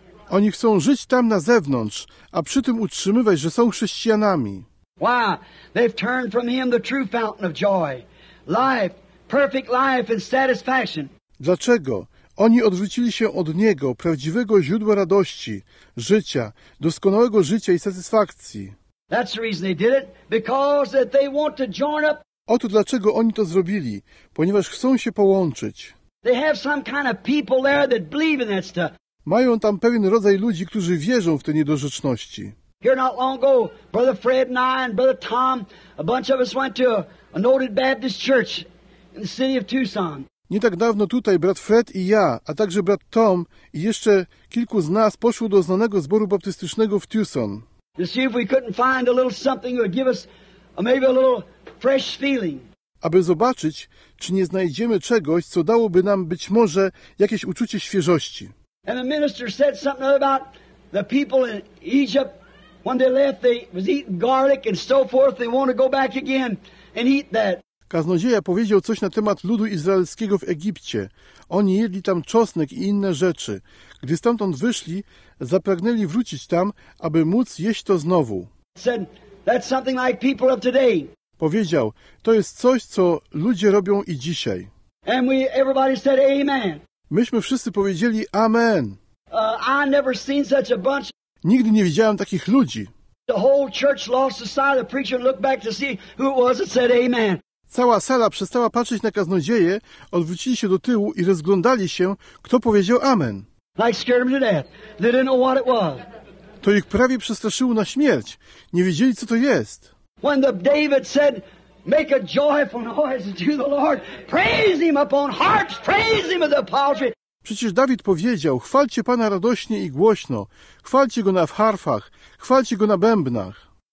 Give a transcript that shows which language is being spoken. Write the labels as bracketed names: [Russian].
[Polish] Oni chcą żyć tam na zewnątrz, a przy tym utrzymywać, że są chrześcijanami. [English] Why? They've turned from him the true fountain of joy, life, perfect life and satisfaction. [Polish] Dlaczego? Oni odwrócili się od niego, prawdziwego źródła radości, życia, doskonałego życia i satysfakcji. [English] That's the reason they did it, because that they want to join up. [Polish] Oto dlaczego oni to zrobili, ponieważ chcą się połączyć. [English] They have some kind of people there that believe in that stuff. [Polish] Mają tam pewien rodzaj ludzi, którzy wierzą w te niedorzeczności. [English] Here not long ago, Brother Fred and I and Brother Tom, a bunch of us went to a noted Baptist church in the city of Tucson. [Polish] Nie tak dawno tutaj brat Fred i ja, a także brat Tom i jeszcze kilku z nas poszło do znanego zboru baptystycznego w Tucson. [English] To see if we couldn't find a little something that would give us maybe a little fresh feeling. [Polish] Aby zobaczyć, czy nie znajdziemy czegoś, co dałoby nam być może jakieś uczucie świeżości. [English] And the minister said something about the people in Egypt when they left, they was eating garlic and so forth. They want to go back again and eat that. [Polish] Kaznodzieja powiedział coś na temat ludu izraelskiego w Egipcie. Oni jedli tam czosnek i inne rzeczy. Gdy stamtąd wyszli, zapragnęli wrócić tam, aby móc jeść to znowu. [English] Said, that's something like people of today. [Polish] Powiedział, to jest coś, co ludzie robią i dzisiaj. [English] And we, everybody said, amen. [Polish] Myśmy wszyscy powiedzieli amen. [English] I never seen such a bunch. [Polish] Nigdy nie widziałem takich ludzi. [English] The whole church lost the sight of the preacher and looked back to see who it was that said amen. [Polish] Cała sala przestała patrzeć na kaznodzieję, odwrócili się do tyłu i rozglądali się, kto powiedział amen. [English] Like scared them to death. They didn't know what it was. [Polish] To ich prawie przestraszyło na śmierć. Nie wiedzieli, co to jest. [English] When the David said, make a joyful noise to the Lord, praise him upon hearts, praise him with the psaltery. [Polish] Przecież Dawid powiedział, chwalcie Pana radośnie i głośno, chwalcie Go na harfach, chwalcie Go na bębnach.